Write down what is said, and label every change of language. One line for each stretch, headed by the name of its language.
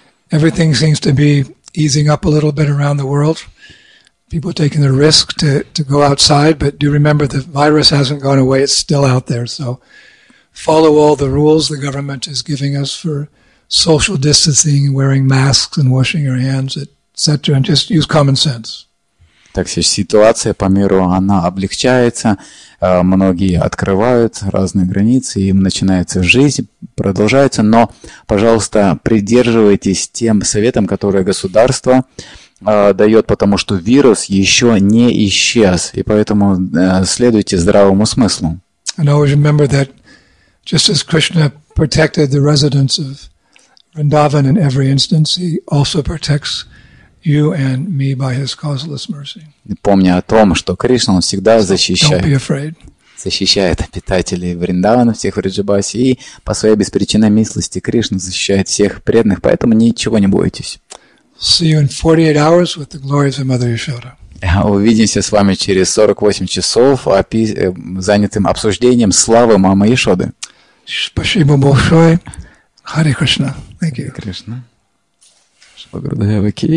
English: Everything seems to be easing up a little bit around the world. People taking the risk to go outside, but do remember the virus hasn't gone away, it's still out there. So follow all the rules the government is giving us for social distancing, wearing masks and washing your hands, etc. And just use common sense.
Russian: Так что ситуация по миру, она облегчается, многие открывают разные границы, им начинается жизнь, продолжается, но, пожалуйста, придерживайтесь тем советам, которые государство дает, потому что вирус еще не исчез, и поэтому следуйте здравому смыслу.
English: And always remember that just as Krishna protected the residents of Vrindavan in every instance, he also protects you and me by his causeless mercy.
Russian: Помни о том, что Кришна, он всегда защищает.
English: Don't be afraid.
Russian: Защищает обитателей Вриндавана, всех Вриджабаси, и по своей беспричинной милости Кришна защищает всех преданных, поэтому ничего не бойтесь.
English: See you in 48 hours with the glories of Mother Yashoda.
Russian: Увидимся с вами через 48 часов, занятым обсуждением славы Мамы Яшоды. Спасибо большое. Hare Krishna.
English: Thank you.
Russian: Hare Krishna. Благодаря вам.